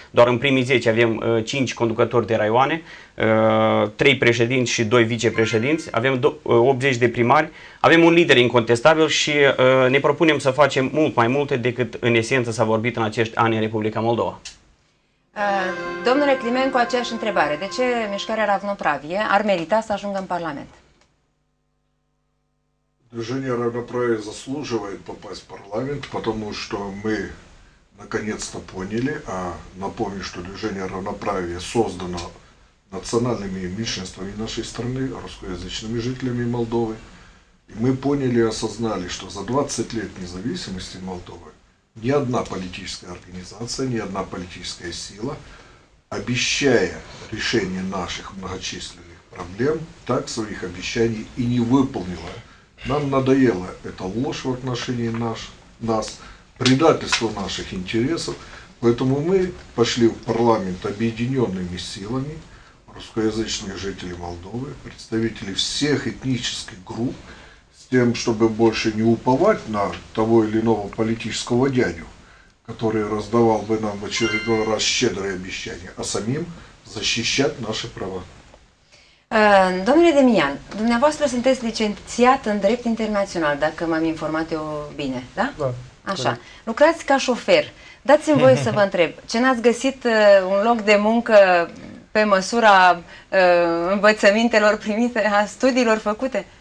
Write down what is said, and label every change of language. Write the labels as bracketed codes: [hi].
[ro] Doar în primii 10 avem 5 conducători de raioane, 3 președinți și 2 vicepreședinți, avem 80 de primari, avem un lider incontestabil și ne propunem să facem mult mai multe decât în esență s-a vorbit în acești ani în Republica Moldova. Domnule Climen, cu aceeași întrebare, de ce Mișcarea Ravno Pravie ar merita să ajungă în Parlament? [ru] Движение Ravno Pravie заслуживает попасть в парламент, потому что мы наконец-то поняли, а напомню, что движение Ravno Pravie создано национальными меньшинствами нашей страны, русскоязычными жителями Молдовы. И мы поняли и осознали, что за 20 лет независимости Молдовы ни одна политическая организация, ни одна политическая сила, обещая решение наших многочисленных проблем, так своих обещаний и не выполнила. Нам надоело эта ложь в отношении нас, предательство наших интересов, поэтому мы пошли в парламент объединенными силами, русскоязычные жители Молдовы, представители всех этнических групп, тем, чтобы больше не уповать на того или иного политического дядю, который раздавал бы нам в очередной раз щедрые обещания, а самим защищать наши права. [ro] Domnule Demian, dumneavoastră sunteți licențiat în drept internațional, dacă m-am informat eu bine, da? Da. Așa. Lucrați ca șofer. Dați-mi voie să vă întreb. Ce n-ați găsit un loc de muncă pe măsura învățămintelor primite, a studiilor făcute?